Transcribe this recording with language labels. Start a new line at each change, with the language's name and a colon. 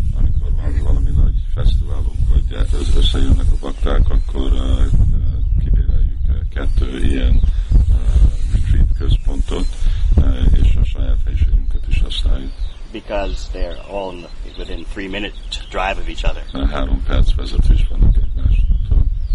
Hungarian: Amikor van valami nagy fesztiválunk, vagy összejönnek a bakták, akkor kibéreljük kettő ilyen retreat központot, és a saját helyiségünket is használjuk.
English: Because they're all within 3-minute drive of each other.
Hungarian: 3 perc vezetés van egymástól.